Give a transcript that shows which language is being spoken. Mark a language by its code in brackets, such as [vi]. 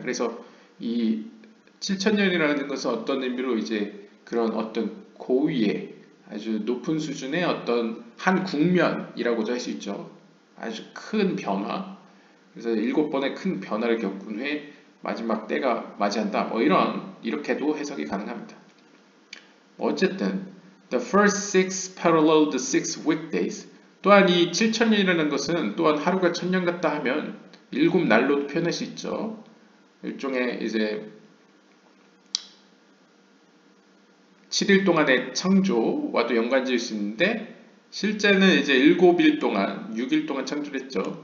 [ko] 그래서 이 7,000년이라는 것은 어떤 의미로 이제 그런 어떤 고위의 아주 높은 수준의 어떤 한 국면이라고도 할 수 있죠. 아주 큰 변화. 그래서 일곱 번의 큰 변화를 겪은 후에 마지막 때가 맞이한다. 뭐 이렇게도 해석이 가능합니다. [en] 어쨌든 the first six parallel the six weekdays. [ko] 또한 이 7000년이라는 것은 또한 하루가 1000년 같다 하면 일곱 날로도 표현할 수 있죠. 일종의 이제 7일 동안의 창조와도 연관 지을 수 있는데, 실제는 이제 7일 동안, 6일 동안 창조했죠.